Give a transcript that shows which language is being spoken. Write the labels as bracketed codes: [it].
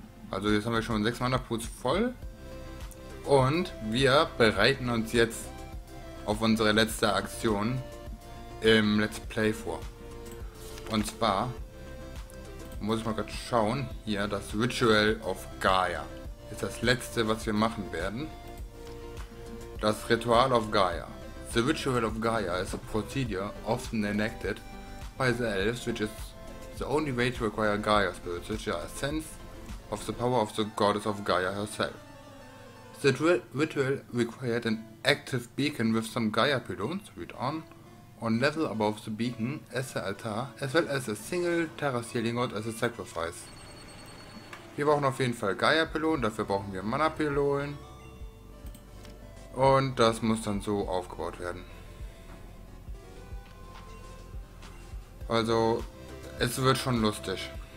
[de] Also jetzt haben wir schon 6 Mana-Pools voll und wir bereiten uns jetzt auf unsere letzte Aktion im Let's Play vor. Und zwar muss ich mal gerade schauen, hier das Ritual of Gaia ist das letzte, was wir machen werden. Das Ritual of Gaia. [en] The Ritual of Gaia is a procedure often enacted by the elves, which is the only way to acquire Gaia's spirits, which are a sense of the power of the goddess of Gaia herself. The ritual required an active beacon with some Gaia pylons, read on level above the beacon as the altar, as well as a single terrestrial god as a sacrifice. [de] Wir brauchen auf jeden Fall Gaia-Pylonen, dafür brauchen wir Mana-Pylonen. Und das muss dann so aufgebaut werden. Also, es wird schon lustig.